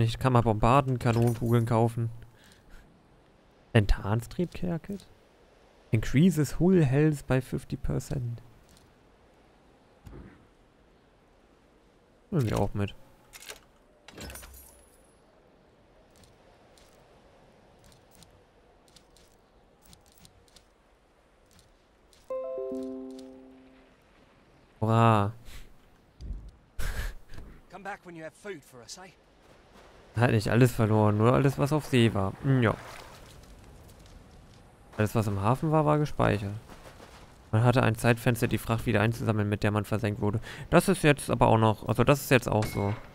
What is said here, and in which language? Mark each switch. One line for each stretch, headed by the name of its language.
German: Ich kann mal Bombardenkanonenkugeln kaufen.
English: Enhanced-Triebkerkit? Increases Hull Health by 50%.
German: Nehmen wir auch mit. Hurra.
English: Come back when you have food for us, eh?
German: Hat nicht alles verloren, nur alles, was auf See war. Ja. Alles, was im Hafen war, war gespeichert. Man hatte ein Zeitfenster, die Fracht wieder einzusammeln, mit der man versenkt wurde. Das ist jetzt aber auch noch, also das ist jetzt auch so.